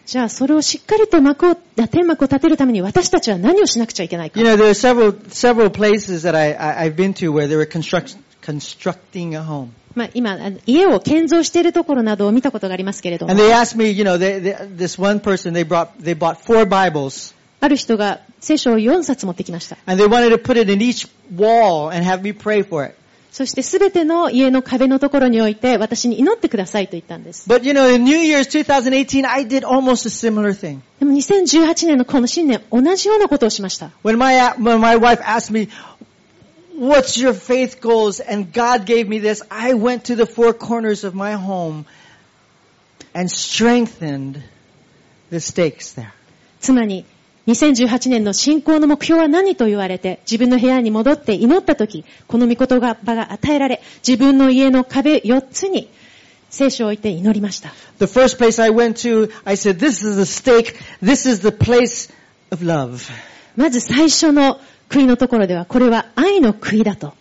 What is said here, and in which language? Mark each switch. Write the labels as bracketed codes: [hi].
[ja] じゃあそれをしっかりと幕を天幕を立てるために私たちは何をしなくちゃいけないか。 [en] You know, there are several places that I've been to where they were constructing a home. [ja] まあ今家を建造しているところなどを見たことがありますけれども。 [en] And they asked me, you know, this one person they bought four Bibles. [ja] ある人が聖書を4冊持ってきました。 [en] And they wanted to put it in each wall and have me pray for it. [ja] そしてすべての家の壁のところに置いて私に祈ってくださいと言ったんです。 [en] But you know, in New Year's 2018, I did almost a similar thing. [ja] でも2018年のこの新年、同じようなことをしました。 [en] When my wife asked me, "What's your faith goals?" and God gave me this, I went to the four corners of my home and strengthened the stakes there. [ja] 妻に2018年の信仰の目標は何と言われて自分の部屋に戻って祈った時この御言葉が与えられ自分の家の壁4つに聖書を置いて祈りました。 [en] The first place I went to, I said, this is the stake, this is the place of love. [ja] まず最初の杭のところではこれは愛の杭だと。